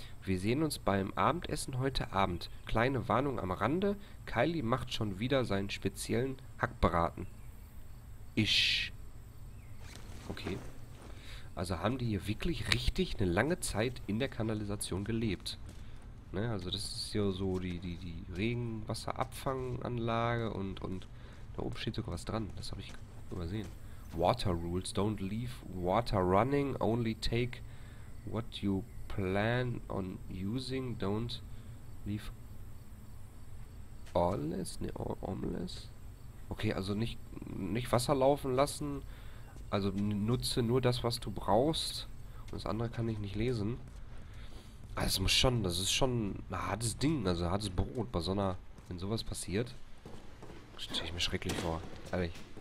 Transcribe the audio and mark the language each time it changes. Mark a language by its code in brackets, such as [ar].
[de] Wir sehen uns beim Abendessen heute Abend. Kleine Warnung am Rande, Kylie macht schon wieder seinen speziellen Hackbraten. Ich. Okay. Also haben die hier wirklich richtig eine lange Zeit in der Kanalisation gelebt. Ne, also das ist ja so die Regenwasserabfanganlage und da oben steht sogar was dran. Das habe ich übersehen. [en] Water rules, don't leave water running, only take what you plan on using, don't leave allless, ne, allless. [de] Okay, also nicht Wasser laufen lassen, also nutze nur das, was du brauchst, und das andere kann ich nicht lesen. Also das muss schon, das ist schon ein hartes Ding, also ein hartes Brot bei so einer, wenn sowas passiert, stelle ich mir schrecklich vor, ehrlich.